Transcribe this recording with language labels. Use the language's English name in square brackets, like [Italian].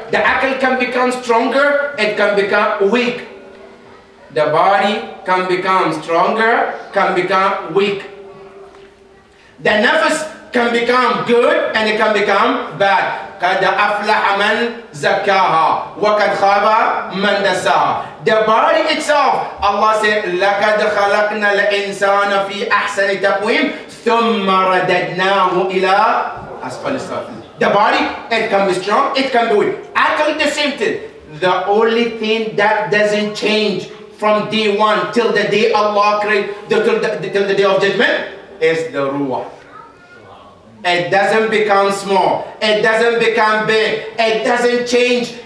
[English] The Aql can become stronger, it can become weak. The body can become stronger, can become weak. The Nafs can become good and it can become bad. [Arabic] قَدْ أَفْلَحَ مَنْ زَكَّاهَا وَقَدْ خَابَ مَنْ دَسَّاهَا. [English] The body itself, Allah said, [Arabic] لَقَدْ خَلَقْنَا الْإِنسَانَ فِي أَحْسَنِ تَقْوِيمٍ ثُمَّ رَدَدْنَاهُ إِلَىٰ أَسْفَلِ السَّافِلِينَ. [English] The body, it can be strong, it can be weak. Actually the same thing. The only thing that doesn't change from day one till the day Allah created, till the day of judgment, is the Ruh. It doesn't become small, it doesn't become big, it doesn't change.